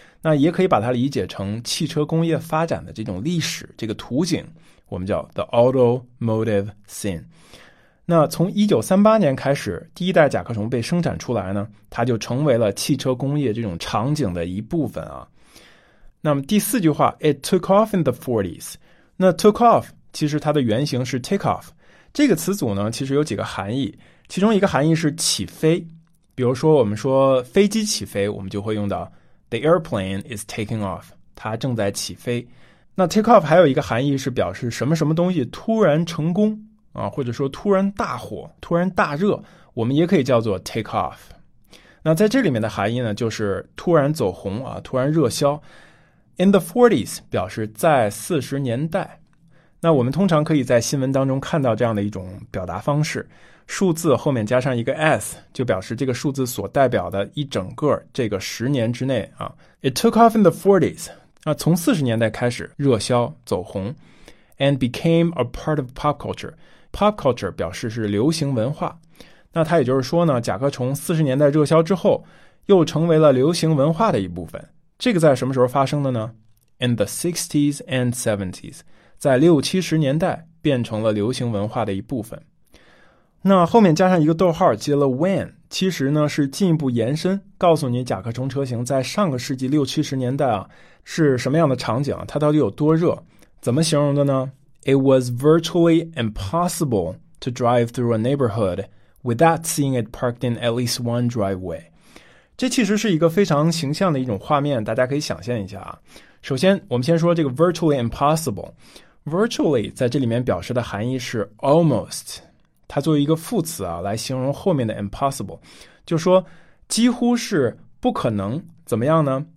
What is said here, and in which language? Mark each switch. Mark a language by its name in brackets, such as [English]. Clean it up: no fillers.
[Chinese] 那也可以把它理解成汽车工业发展的这种历史，这个图景我们叫 the automotive scene。那从1938年开始，第一代甲壳虫被生产出来呢，它就成为了汽车工业这种场景的一部分啊。那么第四句话 , [English] it took off in the 40s。 [Chinese] 那 took off, 其实它的原型是 take off。这个词组呢其实有几个含义。其中一个含义是起飞。比如说我们说飞机起飞，我们就会用到 [English] the airplane is taking off, [Chinese] 它正在起飞。那 take off 还有一个含义是表示什么什么东西突然成功。啊，或者说突然大火，突然大热，我们也可以叫做 take off。那在这里面的含义呢就是突然走红啊，突然热销。 in the 40s 表示在40年代。那我们通常可以在新闻当中看到这样的一种表达方式，数字后面加上一个 s 就表示这个数字所代表的一整个这个十年之内啊。 [English] it took off in the 40s、 [Chinese] 啊、从40年代开始热销走红。 [English] and became a part of pop culturePop culture [Chinese] 表示是流行文化。那它也就是说呢，甲壳虫40年代热销之后又成为了流行文化的一部分。这个在什么时候发生的呢？ [English] In the 60s and 70s, [Chinese] 在六七十年代变成了流行文化的一部分。那后面加上一个逗号接了 when, 其实呢是进一步延伸，告诉你甲壳虫车型在上个世纪六七十年代啊是什么样的场景，它到底有多热，怎么形容的呢？ [English] It was virtually impossible to drive through a neighborhood without seeing it parked in at least one driveway. [Chinese] 这其实是一个非常形象的一种画面，大家可以想象一下啊。首先，我们先说这个 virtually impossible。virtually 在这里面表示的含义是 almost， 它作为一个副词啊，来形容后面的 impossible， 就说几乎是不可能，怎么样呢？